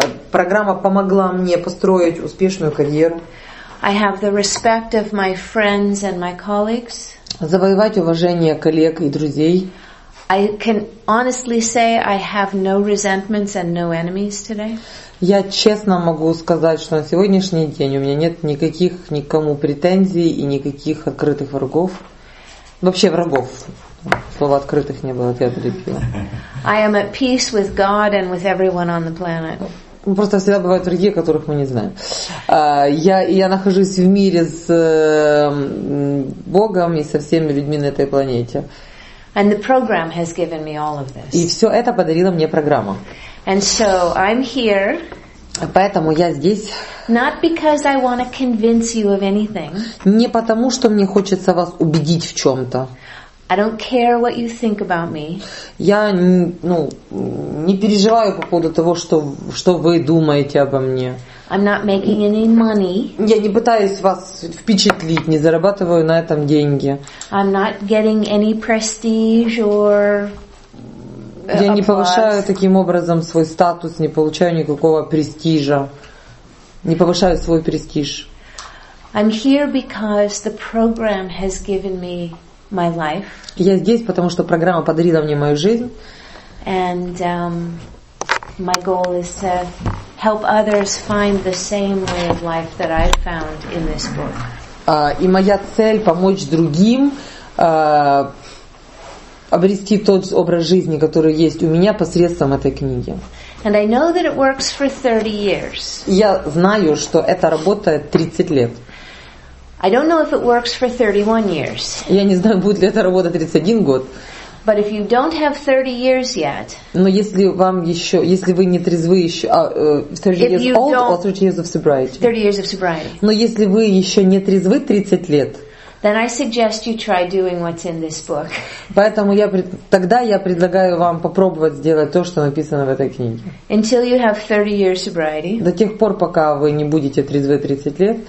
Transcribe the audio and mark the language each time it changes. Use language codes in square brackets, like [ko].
[ru] Программа помогла мне построить успешную карьеру. [en] I have the respect of my friends and my colleagues. [ru] Завоевать уважение коллег и друзей. [en] I can honestly say I have no resentments and no enemies today. [ru] Я честно могу сказать, что на сегодняшний день у меня нет никаких никому претензий и никаких открытых врагов. Вообще врагов. Слова открытых не было, я перепила. [en] I am at peace with God and with everyone on the planet. [ru] Просто всегда бывают враги, которых мы не знаем. Я нахожусь в мире с Богом и со всеми людьми на этой планете. [en] And the program has given me all of this. [ru] И все это подарила мне программа. [en] And so I'm here. [ru] Поэтому я здесь. [en] Not because I want to convince you of anything. [ru] Не потому, что мне хочется вас убедить в чем-то. [en] I don't care what you think about me. [ru] Я не переживаю по поводу того, что вы думаете обо мне. [en] I'm not making any money. [ru] Я не пытаюсь вас впечатлить, не зарабатываю на этом деньги. [en] I'm not getting any prestige or applause. [ru] Я не повышаю таким образом свой статус, не получаю никакого престижа, не повышаю свой престиж. [en] I'm here because the program has given me my life. [ru] Я здесь, потому что программа подарила мне мою жизнь. [en] And my goal is to help others find the same way of life that I found in this book. [ru] И моя цель — помочь другим обрести тот образ жизни, который есть у меня, посредством этой книги. [en] And I know that it works for 30 years. [ru] Я знаю, что это работает 30 лет. [en] I don't know if it works for 31 years. [ru] Я не знаю, будет ли это работать 31 год. [en] But if you don't have 30 years yet. [ru] Но если вам еще, если вы не трезвы еще, [en] 30 years of sobriety. 30 years of sobriety. [ru] Но если вы еще не трезвы 30 лет. [en] Then I suggest you try doing what's in this book. [ru] Поэтому я предлагаю вам попробовать сделать то, что написано в этой книге. [en] Until you have 30 years sobriety. [ru] До тех пор, пока вы не будете трезвы 30 лет.